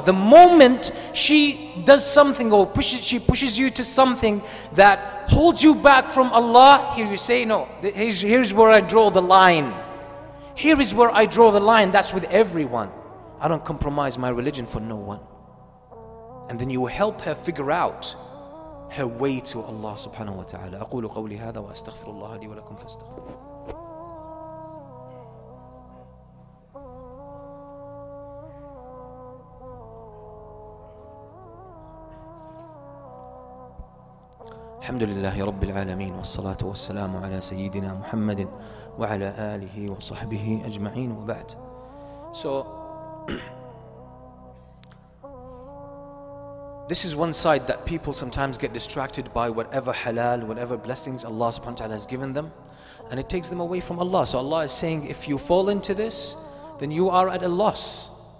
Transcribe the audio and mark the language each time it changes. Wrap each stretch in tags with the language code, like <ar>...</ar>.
<en>The moment she does something or pushes you to something that holds you back from Allah, here you say, no, here's where I draw the line. Here is where I draw the line. That's with everyone. I don't compromise my religion for no one. And then you will help her figure out her way to Allah subhanahu wa ta'ala.</en> <ar>أقول قولي هذا وأستغفر الله لي ولكم فاستغفر. الحمد لله رب العالمين والصلاة والسلام على سيدنا محمد وعلى آله وصحبه أجمعين وبعد.</ar> <en>So this is one side that people sometimes get distracted by whatever halal, whatever blessings Allah subhanahu wa ta'ala has given them. And it takes them away from Allah. So Allah is saying, if you fall into this, then you are at a loss.</en>